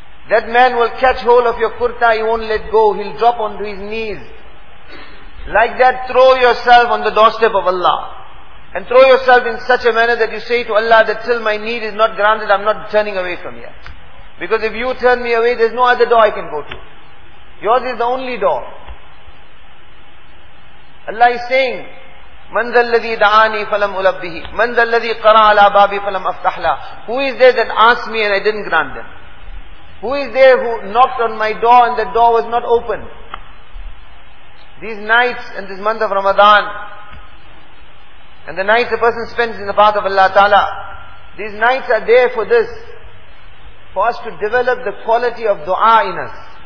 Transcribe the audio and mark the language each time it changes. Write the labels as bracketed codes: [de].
[en] That man will catch hold of your kurta, he won't let go, he'll drop onto his knees. Like that, throw yourself on the doorstep of Allah. And throw yourself in such a manner that you say to Allah that till my need is not granted, I'm not turning away from here. Because if you turn me away, there's no other door I can go to. Yours is the only door. Allah is saying, [ar] مَنْ ذَا الَّذِي دَعَانِي فَلَمْ أُلَبِّهِ مَنْ ذَا الَّذِي قَرَى عَلَى بَابِي فَلَمْ أَفْتَحْلَى. [en] Who is there that asked me and I didn't grant them? Who is there who knocked on my door and that door was not open? These nights and this month of Ramadan, and the nights a person spends in the path of Allah Ta'ala, these nights are there for this, for us to develop the quality of dua in us.